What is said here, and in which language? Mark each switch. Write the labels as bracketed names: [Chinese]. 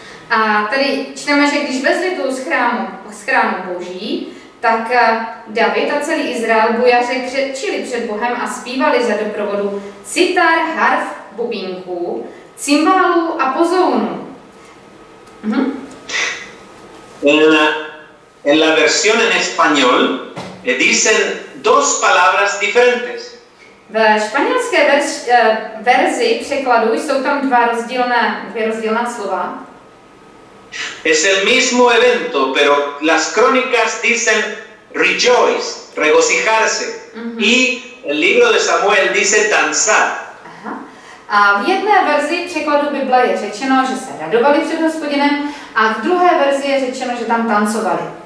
[Czech] A tady čteme, že když vezli tu z chrámu Boží, tak David a celý Izrael bojaře křičili před Bohem a zpívali za doprovodu citar, harf, bubínku, cymbálu a pozounu. [Spanish] En la versión en español dicen dos palabras diferentes. [Czech] Ve španělské verzi překladu jsou tam dvě rozdílné slova. [Spanish] Es el mismo evento, pero las crónicas dicen rejoice, regocijarse, y el libro de Samuel dice danzar. [Czech] A v jedné verzi překladu Bible je řečeno, že se radovali před Hospodinem, a v druhé verzi je řečeno, že tam tancovali.